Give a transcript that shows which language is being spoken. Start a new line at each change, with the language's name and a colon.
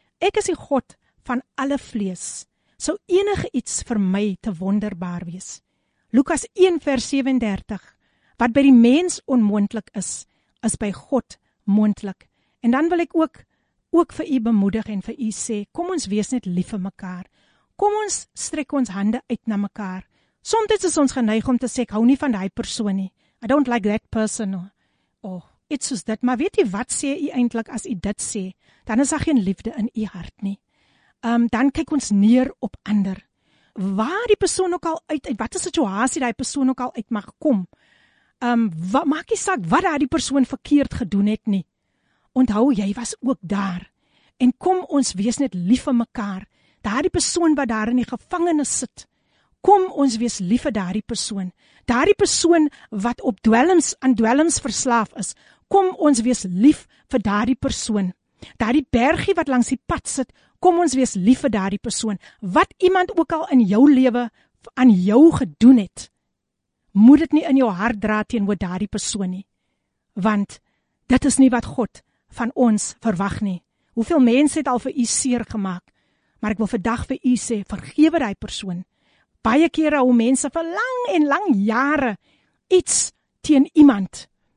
Afrikaans: Ek is die God van alle vlees. Sou enige iets vir my te wonderbaar wees. Lukas 1 vers 37. Wat by die mens onmoontlik is, is by God moontlik. En dan wil ek ook vir u bemoedig en vir u sê, kom ons wees net lief vir mekaar. Kom ons strek ons hande uit na mekaar. Soms is ons geneig om te sê, ek hou nie van daai persoon nie.
English: I don't like that person.
Afrikaans: Oh, iets soos dit. Maar weet u wat sê u eintlik as u dit sê? Dan is daar geen liefde in u hart nie. Dan kyk ons neer op ander. Waar die persoon ook al uit wat 'n situasie daai persoon ook al uit mag kom. Wat maak nie saak wat daai persoon verkeerd gedoen het nie. Onthou, jy was ook daar. En kom ons wees net lief vir mekaar. Daardie persoon wat daar in die gevangenis sit. Kom ons wees lief vir daardie persoon. Daardie persoon wat op dwelms verslaaf is. Kom ons wees lief vir daardie persoon. Daardie bergie wat langs die pad sit. Kom ons wees lief vir daardie persoon. Wat iemand ook al in jou lewe aan jou gedoen het. Moet dit nie in jou hart dra teenoor daardie persoon nie. Want dit is nie wat God van ons verwag nie. Hoeveel mense het al vir u seer gemaak? Maar ek wil vandag vir u sê, vergewe daai persoon. Baie kere hou mense vir lang en lang jare iets teen iemand.